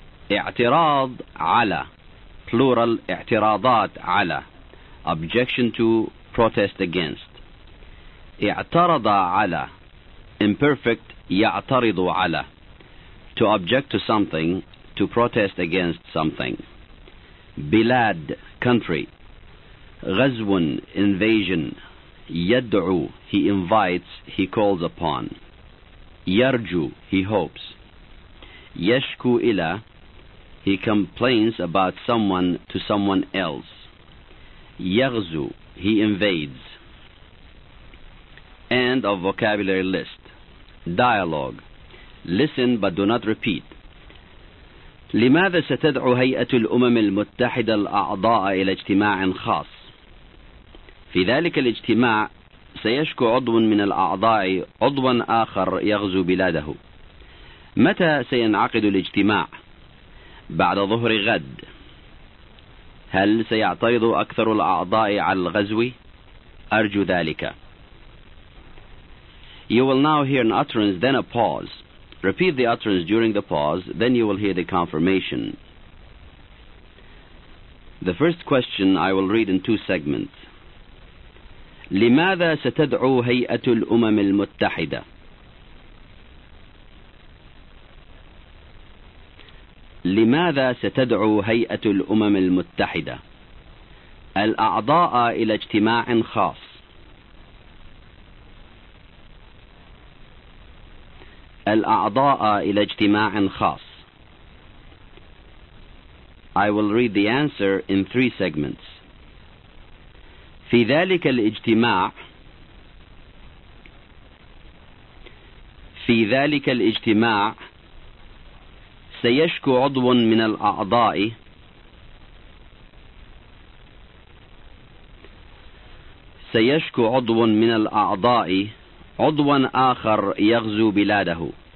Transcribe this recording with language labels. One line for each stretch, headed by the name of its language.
Arabic: اعتراض على,
English: plural
Arabic: اعتراضات على,
English: objection to, protest against.
Arabic: اعترض على,
English: imperfect
Arabic: يعترض على,
English: to object to something, to protest against something. بلاد, country. غزو, invasion. يدعو, he invites, he calls upon. يرجو, he hopes.
Arabic: يشكو إلى,
English: he complains about someone to someone else. يغزو, he invades. End of vocabulary list. Dialogue. Listen but do not repeat.
Arabic: لماذا ستدعو هيئة الأمم المتحدة الأعضاء إلى اجتماع خاص؟ في ذلك الاجتماع سيشكو عضو من الأعضاء عضوا آخر يغزو بلاده. متى سينعقد الاجتماع؟ بعد ظهر غد. هل سيعترض أكثر الأعضاء على الغزو؟ أرجو ذلك.
English: You will now hear an utterance, then a pause. Repeat the utterance during the pause, then you will hear the confirmation. The first question I will read in two segments.
Arabic: لماذا ستدعو هيئة الأمم المتحدة؟ لماذا ستدعو هيئة الأمم المتحدة الأعضاء إلى اجتماع خاص؟ الأعضاء إلى اجتماع خاص.
English: I will read the answer in three segments.
Arabic: في ذلك الاجتماع, في ذلك الاجتماع سيشكو عضو من الأعضاء سيشكو عضو من الأعضاء عضوا آخر يغزو بلاده.